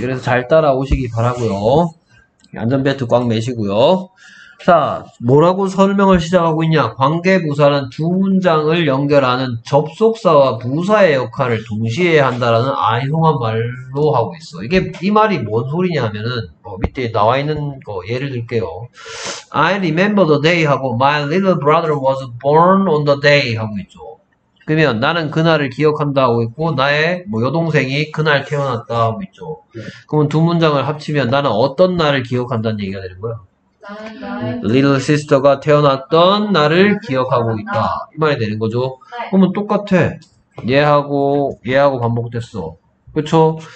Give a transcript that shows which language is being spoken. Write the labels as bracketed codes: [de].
[ko] 그래서 잘 따라오시기 바라고요. 안전벨트 꽉 매시고요. 자, 뭐라고 설명을 시작하고 있냐. 관계부사는 두 문장을 연결하는 접속사와 부사의 역할을 동시에 한다라는 아이송한 말로 하고 있어. 이게 이 말이 뭔 소리냐 하면은, 뭐 밑에 나와 있는 거 예를 들게요. [en] I remember the day 하고 my little brother was born on the day [ko] 하고 있죠. 그러면 나는 그날을 기억한다 하고 있고, 나의 뭐 여동생이 그날 태어났다 하고 있죠. 그러면 두 문장을 합치면 나는 어떤 날을 기억한다는 얘기가 되는 거야. 리틀 시스터가 태어났던 날을 기억하고 있다. 이 말이 되는 거죠. 그러면 똑같아. 얘하고 반복됐어. 그쵸?